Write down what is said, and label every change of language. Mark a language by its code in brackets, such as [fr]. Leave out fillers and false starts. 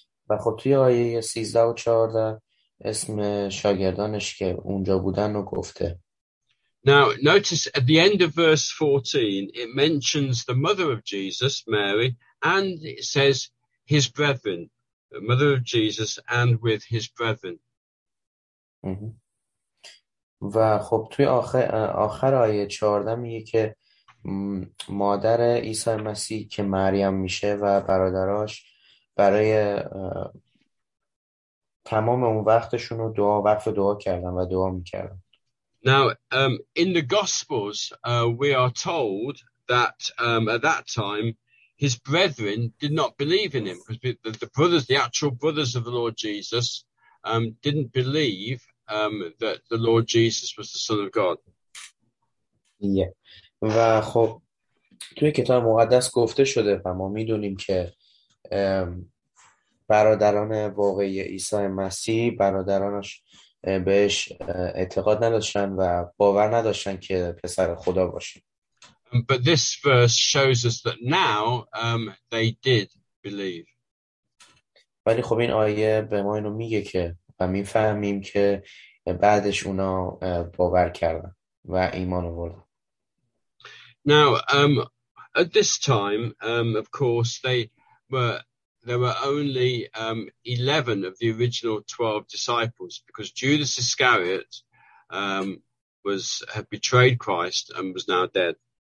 [fa] و خب توی آیه 13 و 14 اسم شاگردانش که اونجا بودن رو گفته. [en] Now notice at the end of verse 14 it mentions the mother of Jesus, Mary, and it says his brethren, the mother of Jesus and with his brethren. [fa] و خب توی آخر آیه 14 میگه که مادر عیسی مسیح که مریم میشه و برادراش برای تمام اون وقتشون رو دعا وقف دعا کردن و دعا میکردن. [en] Now in the Gospels we are told that at that time his brethren did not believe in him because the brothers, the actual brothers of the Lord Jesus didn't believe that the Lord Jesus was the Son of God. Yeah. [fa] و خب توی کتاب مقدس گفته شده و ما میدونیم که برادران واقعی عیسی مسیح، برادرانش بهش اعتقاد نداشتن و باور نداشتن که پسر خدا باشه. [en] But this verse shows us that now they did believe. [fa] ولی خب این آیه به ما اینو میگه که و میفهمیم که بعدش اونا باور کردن و ایمان آوردن. [en] Now at this time of course there were only 11 of the original 12 disciples because Judas Iscariot had betrayed Christ and was now dead.